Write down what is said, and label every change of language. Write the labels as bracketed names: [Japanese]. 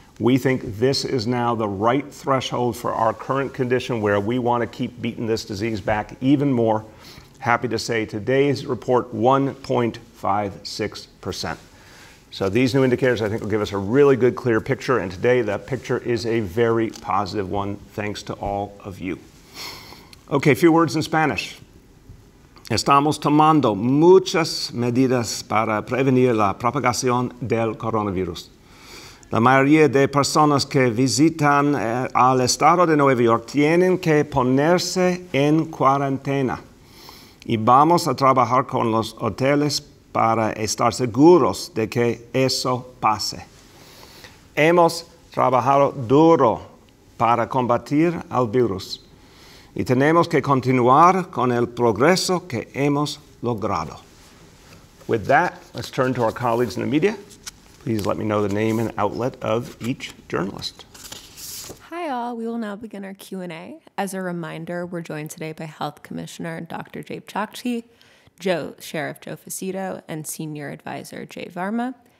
[English] We think this is now the right threshold for our current condition where we want to keep beating this disease back even more. Happy to say today's report 1.56%. So these new indicators, I think, will give us a really good clear picture. And today that picture is a very positive one, thanks to all of you. Okay, a few words in Spanish. [Spanish] Estamos tomando muchas medidas para prevenir la propagación del coronavirus. La mayoría de personas que visitan al estado de Nueva York tienen que ponerse en cuarentena. Y vamos a trabajar con los hoteles para estar seguros de que eso pase. Hemos trabajado duro para combatir al virus. Y tenemos que continuar con el progreso que hemos logrado. [English] With that, let's turn to our colleagues in the media. Please let me know the name and outlet of each journalist. Hi, all. We will now begin our Q&A. As a reminder, we're joined today by Health Commissioner Dr. Jabe Chokshi, Sheriff Joe Facito, and Senior Advisor Jay Varma.